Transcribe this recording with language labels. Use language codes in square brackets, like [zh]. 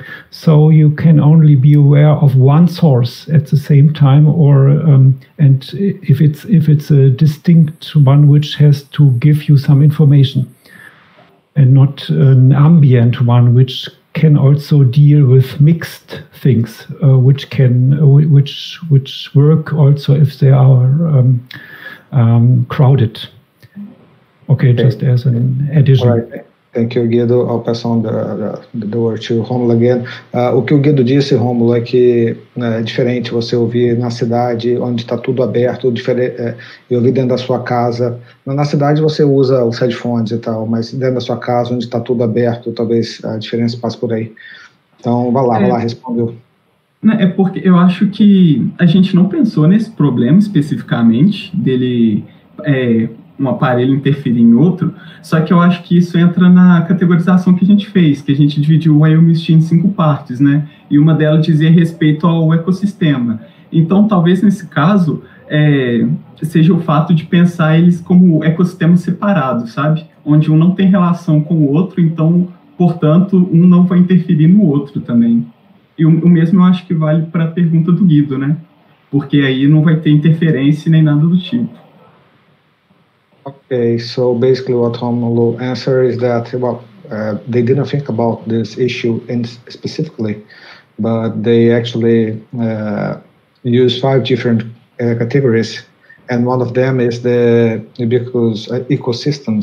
[en] So you can only be aware of one source at the same time, or and if it's a distinct one which has to give you some information, and not an ambient one which can also deal with mixed things, which work also if they are crowded. Okay, just as an addition. All right. Thank you, Guido. I'll pass on the word to Romulo again. [pt] O que o Guido disse, Romulo, é que é diferente você ouvir na cidade onde está tudo aberto, e ouvir dentro da sua casa. Na cidade você usa os headphones e tal, mas dentro da sua casa onde está tudo aberto, talvez a diferença passe por aí. Então, vai lá, respondeu. É porque eu acho que a gente não pensou nesse problema especificamente dele um aparelho interferir em outro, só que eu acho que isso entra na categorização que a gente fez, que a gente dividiu o IoMST em 5 partes, né? E uma delas dizia respeito ao ecossistema. Então, talvez nesse caso, seja o fato de pensar eles como ecossistemas separados, sabe? Onde um não tem relação com o outro, então, portanto, um não vai interferir no outro também. E o mesmo eu acho que vale para a pergunta do Guido, né? Porque aí não vai ter interferência nem nada do tipo. [en] Okay, so basically what Romulo answered is that, well, they didn't think about this issue in specifically, but they actually use 5 different categories, and one of them is the ubiquitous ecosystem.